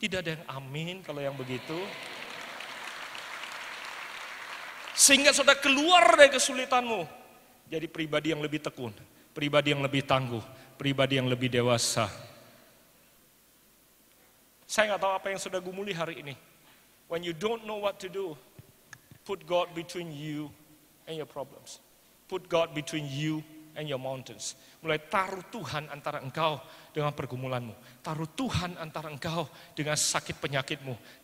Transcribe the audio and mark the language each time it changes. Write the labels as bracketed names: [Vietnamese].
[Indonesian] Tidak ada yang amin kalau yang begitu. Sehingga saudara keluar dari kesulitanmu jadi pribadi yang lebih tekun, pribadi yang lebih tangguh, pribadi yang lebih dewasa. Saya gak tahu apa yang sudah gumuli hari ini. [English] When you don't know what to do, put God between you and your problems. Put God between you and your mountains. [Indonesian] Mulai taruh Tuhan antara engkau dengan pergumulanmu. Taruh Tuhan antara engkau dengan sakit penyakitmu.